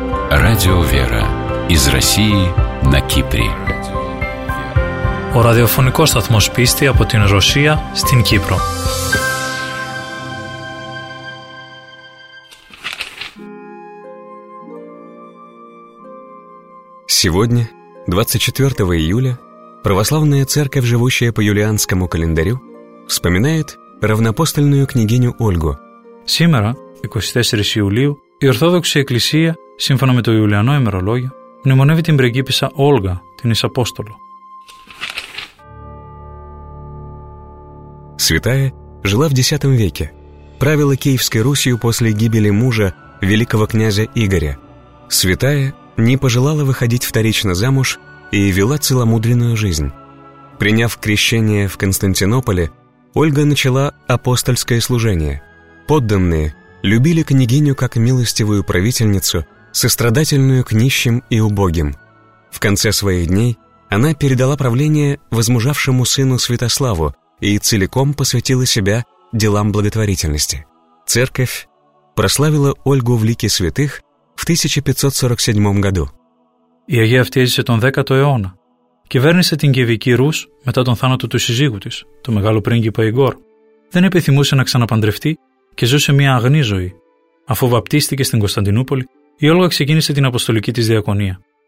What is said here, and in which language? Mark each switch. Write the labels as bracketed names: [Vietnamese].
[Russian] Радио «Вера» из России на Кипре. [Greek] Ο ραδιοφωνικός σταθμός πίστη από την Ρωσία στην Κύπρο. [Russian] Сегодня, 24 июля, православная церковь, живущая по юлианскому календарю, вспоминает равнопостольную княгиню Ольгу. Сегодня, 24 июля, [Greek] η Ορθόδοξη Εκκλησία, σύμφωνα με το Ιουλιανό ημερολόγιο, μνημονεύει την πριγκίπισσα Όλγα, την Ισαπόστολο. [Russian] Святая жила в X веке, правила Киевской Русью после гибели мужа, великого князя Игоря. Святая не пожелала выходить вторично замуж и вела целомудренную жизнь. Приняв крещение в Константинополе, Ольга начала апостольское служение. Подданные любили княгиню как милостивую правительницу, сострадательную к нищим и убогим. В конце своих дней она передала правление возмужавшему сыну Святославу и целиком посвятила себя делам благотворительности. Церковь прославила Ольгу в лике святых в 1547 году. [Greek] Η Αγία αυτίζησε τον 10ο αιώνα. Κυβέρνησε την Κιεβική Ρούς μετά τον θάνατο του σύζυγου της, του μεγάλου πρίγκιπα Ιγκόρ. Δεν επιθυμούσε να ξαναπαντρευτεί και ζούσε μια αγνή ζωή. Αφού βαπτίστηκε στην Κωνσταντινούπολη, η Όλγα ξεκίνησε την αποστολική της διακονία.